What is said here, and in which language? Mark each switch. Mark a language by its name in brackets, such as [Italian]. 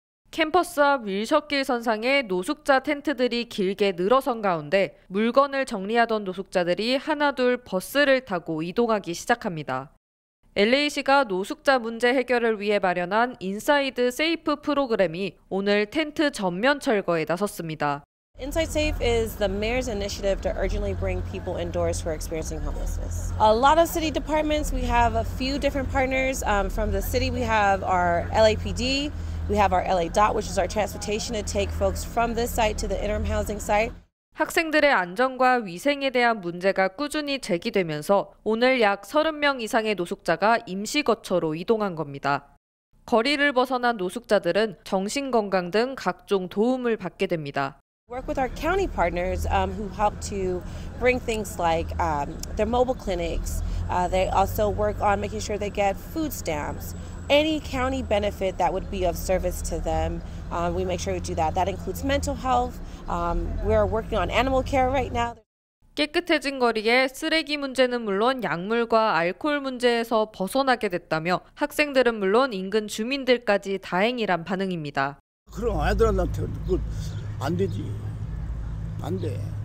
[Korean] 캠퍼스 앞 윌셔길 선상에 노숙자 텐트들이 길게 늘어선 가운데 물건을 정리하던 노숙자들이 하나둘 버스를 타고 이동하기 시작합니다. LA시가 노숙자 문제 해결을 위해 마련한 인사이드 세이프 프로그램이 오늘 텐트 전면 철거에 나섰습니다. [English] Inside Safe is the mayor's initiative to urgently bring people indoors who are experiencing homelessness. A lot of city departments, we have a few different partners. From the city, we have our LAPD, we have our LA DOT, which is our transportation to take folks from this site to the interim housing site. [Korean] 학생들의 안전과 위생에 대한 문제가 꾸준히 제기되면서 오늘 약 30명 이상의 노숙자가 임시 거처로 이동한 겁니다. 거리를 벗어난 노숙자들은 정신건강 등 각종 도움을 받게 됩니다. [English] Work with our county partners who help to bring things like their mobile clinics. They also work on making sure they get food stamps. Any county benefit that would be of service to them, we make sure we do that. That includes mental health. We're working on animal care right now. [Korean] 깨끗해진 거리에 쓰레기 문제는 물론 약물과 알코올 문제에서 벗어나게 됐다며 학생들은 물론 인근 주민들까지 다행이란 반응입니다. 그럼 아이들한테 그 안 되지. 안 돼.